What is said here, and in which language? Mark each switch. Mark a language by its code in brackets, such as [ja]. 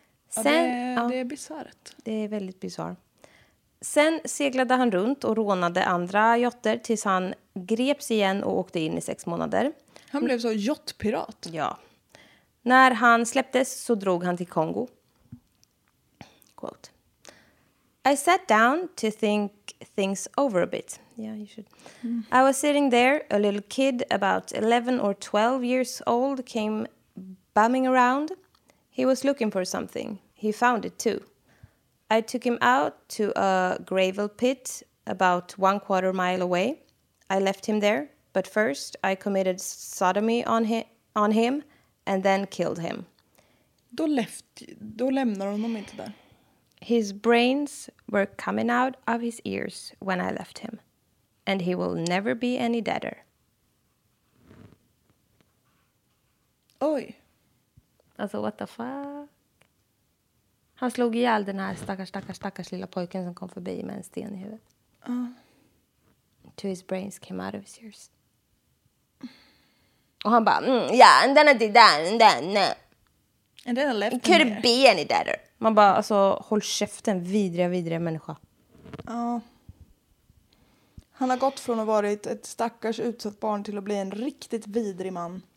[sv] Sen, ja, det är bisarrt. Det är väldigt bisarrt. Sen seglade han runt och rånade andra jotter tills han greps igen och åkte in i 6 månader. Han blev så jottpirat. Ja. När han släpptes så drog han till Kongo. [en] Quote. I sat down to think things over a bit. Yeah, you should. I was sitting there, a little kid about 11 or 12 years old came bumming around. He was looking for something. He found it too. I took him out to a gravel pit about 1/4 mile away. I left him there, but first I committed sodomy on him and then killed him. [sv] Då lämnar honom inte där. [en] His brains were coming out of his ears when I left him. And he will never be any deader. Oj. Alltså, what the fuck? [sv] Han slog ihjäl den här stackars lilla pojken som kom förbi med en sten i huvudet. [en] To his brains came out of his ears. [sv] Och han bara, [en] yeah, and then I did that, and then, no. And then I left him. Couldn't be any deader. [sv] Man bara, alltså, håll käften, vidriga människa. Ja. Han har gått från att vara ett stackars utsatt barn till att bli en riktigt vidrig man.